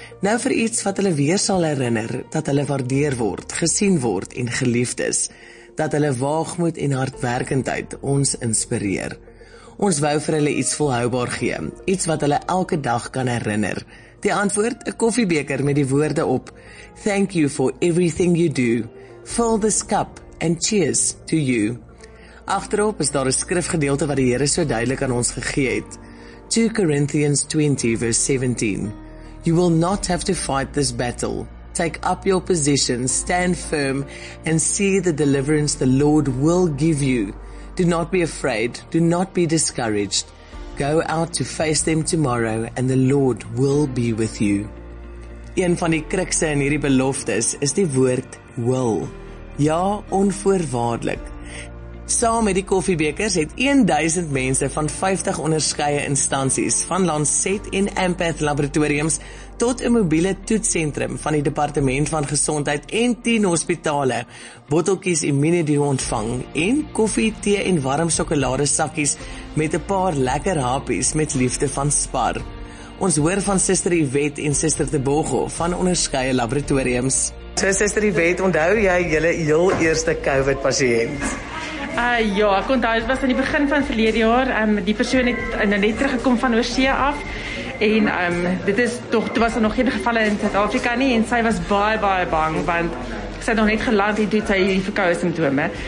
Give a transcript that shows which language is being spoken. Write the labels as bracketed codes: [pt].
[af] Nou vir iets wat hulle weer sal herinner dat hulle waardeer word, gesien word en geliefd is. Dat hulle waagmoed en hardwerkendheid ons inspireer. Ons wou vir hulle iets volhoubaar gee. Iets wat hulle elke dag kan herinner. Die antwoord, 'n koffiebeker met die woorde op. [en] Thank you for everything you do. Fill this cup and cheers to you. [af] Agterop is daar 'n skrifgedeelte wat die Here so duidelik aan ons gegee het. [en] 2 Corinthians 20 verse 17. You will not have to fight this battle. Take up your position, stand firm and see the deliverance the Lord will give you. Do not be afraid, do not be discouraged. Go out to face them tomorrow and the Lord will be with you. [af] Een van die krukse in hierdie beloftes is die woord wil. Ja, onvoorwaardelik. Saam met die koffiebekers het 1000 mense van 50 onderskeie instansies, van Lancet en Ampath Laboratoriums tot 'n mobiele toetsentrum van die Departement van Gesondheid en 10 hospitale, botteltjies Immunity ontvang en koffie, tee en warm sjokolade sakkies met 'n paar lekker hapies met liefde van Spar. Ons hoor van Suster Yvette en Suster Tebogo van onderskeie laboratoriums. So, Suster Yvette, onthou jy julle heel eerste COVID-pasiënt? Ja, ek onthou, dit was aan die begin van verlede jaar. Die persoon het net teruggekom van Oosee af. En toe was er nog geen gevalle in Suid-Afrika nie. En sy was baie, baie bang, want sy het nog net geland en toe sy die verkoue simptome.